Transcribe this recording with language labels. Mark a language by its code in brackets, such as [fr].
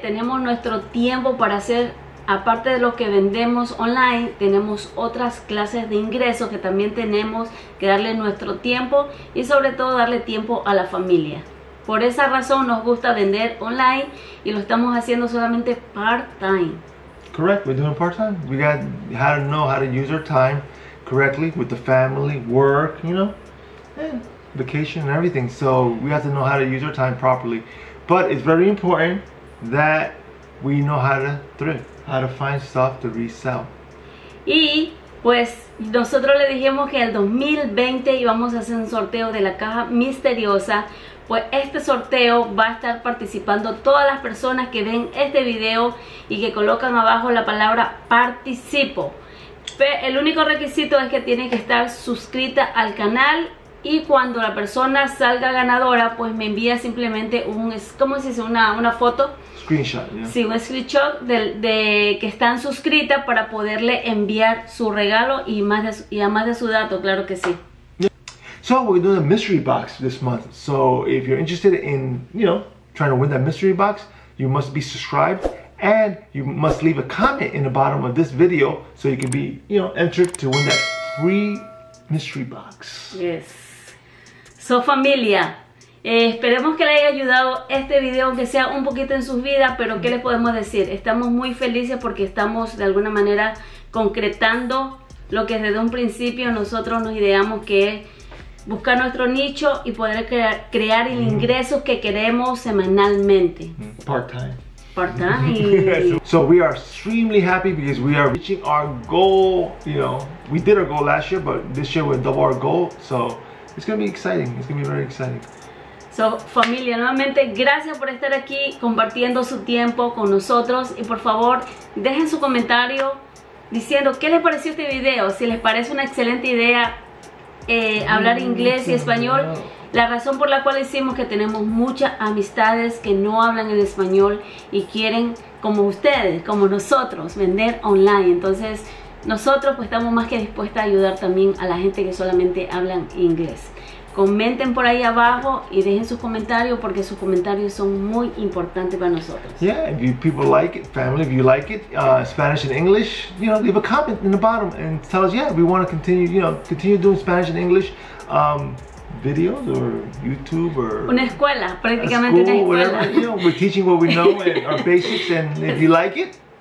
[es] Tenemos nuestro tiempo para hacer, aparte de lo que vendemos online, tenemos otras clases de ingresos que también tenemos que darle nuestro tiempo y sobre todo darle tiempo a la familia. Por esa razón nos gusta vender online y lo estamos haciendo solamente part-time. [en] Correct, we're doing part-time. We got how to know how to use our time correctly with the family, work, you know, and vacation and everything. So we have to know how to use our time properly. But it's very important that we know how to thrift, how to find stuff to resell. [es] Y pues nosotros le dijimos que el 2020 íbamos a hacer un sorteo de la caja misteriosa. Pues este sorteo va a estar participando todas las personas que ven este video y que colocan abajo la palabra participo. El único requisito es que tiene que estar suscrita al canal y cuando la persona salga ganadora, pues me envía simplemente un, ¿cómo se dice? Una foto. [en] Screenshot, yeah. [es] Sí, un screenshot de que están suscritas para poderle enviar su regalo y más de su dato, claro que sí. [en] So we're doing a mystery box this month. So if you're interested in, you know, trying to win that mystery box, you must be subscribed and you must leave a comment in the bottom of this video so you can be, you know, entered to win that free mystery box. Yes. [es] So familia, esperemos que le haya ayudado este video, aunque sea un poquito en sus vidas, pero ¿qué les podemos decir? Estamos muy felices porque estamos de alguna manera concretando lo que desde un principio nosotros nos ideamos, que es buscar nuestro nicho y poder crear el ingreso que queremos semanalmente. [en] Part-time. So we are extremely happy because we are reaching our goal. You know, we did our goal last year, but this year we'll double our goal. So it's going to be exciting. It's going to be very exciting. [es] So, familia, nuevamente, gracias por estar aquí compartiendo su tiempo con nosotros. Y por favor, dejen su comentario diciendo qué les pareció este video. Si les parece una excelente idea hablar inglés y español. La razón por la cual decimos que tenemos muchas amistades que no hablan el español y quieren, como ustedes, como nosotros, vender online. Entonces, nosotros pues estamos más que dispuestos a ayudar también a la gente que solamente hablan inglés. Comenten por ahí abajo y dejen sus comentarios porque sus comentarios son muy importantes para nosotros. [en] Yeah, if you people like it, family, if you like it, Spanish and English, you know, leave a comment in the bottom and tell us, yeah, we want to continue, you know, continue doing Spanish and English videos or YouTube or [es] una escuela, prácticamente una escuela. [en] Whatever, you know, we're teaching what we know and our basics, and if you like it,